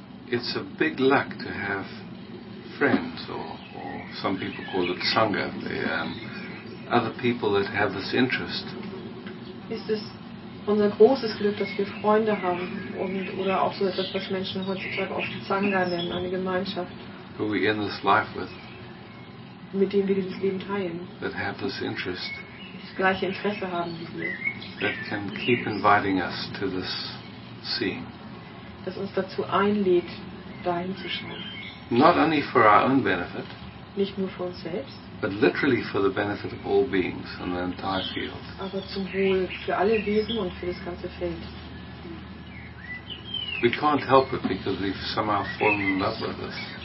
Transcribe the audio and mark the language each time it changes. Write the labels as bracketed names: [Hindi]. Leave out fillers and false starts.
[English] it's a big luck to have friends or some people call it sangha, other people that have this interest. [German] Ist es unser großes Glück, dass wir Freunde haben und oder auch so etwas, was Menschen heutzutage oft Sangha nennen, eine Gemeinschaft, [English] who we end this life with, [German] mit denen wir dieses Leben teilen, [English] that have this interest, [German] das gleiche Interesse haben wie wir, [English] that can keep inviting us to this seeing, [German] das uns dazu einlädt, dahin zu schauen. [English] Not only for our own benefit, [German] nicht nur für uns selbst, [English] but literally for the benefit of all beings and the entire field. [German] Aber zum Wohl für alle Wesen und für das ganze Feld. [English] We can't help it because we've somehow fallen in love with this.